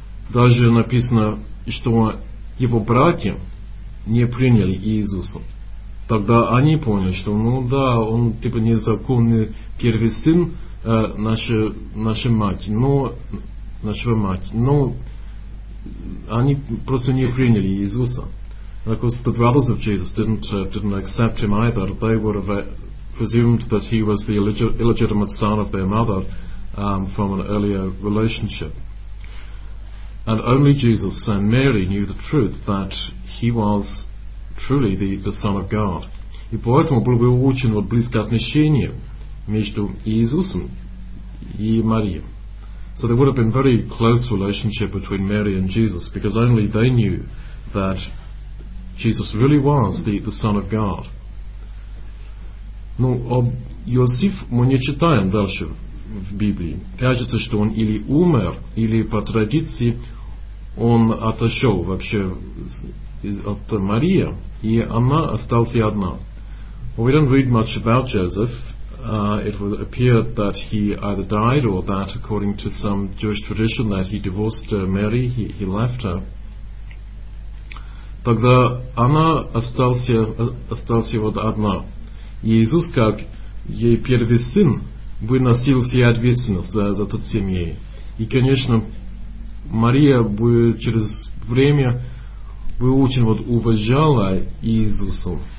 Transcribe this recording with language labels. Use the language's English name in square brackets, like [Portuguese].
[Russian] Даже написано, что его братья не приняли Иисуса. Тогда они поняли, что ну да, он типа незаконный первый сын нашей мать, но нашего мать, но они просто не приняли Иисуса. [English] Because the brothers of Jesus didn't accept him either. They would have presumed that he was the illegitimate son of their mother from an earlier relationship. And only Jesus and Mary knew the truth that he was truly the Son of God. [Russian] И поэтому было бы очень вот близкое отношение между Иисусом и Марией. [English] So there would have been very close relationship between Mary and Jesus, because only they knew that Jesus really was the Son of God. [Russian] Ну, об Иосиф мы не читаем дальше в Библии. Кажется, что он или умер, или по традиции он отошел вообще от Марии, и она осталась одна. [English] Well, we don't read much about Joseph. It would appear that he either died or that, according to some Jewish tradition, that he divorced Mary, he left her. [Russian] Тогда она осталась вот одна. Иисус, как ей первый сын, выносил все ответственность за тот семьей. И, конечно, Мария бы через время бы очень вот уважала Иисуса.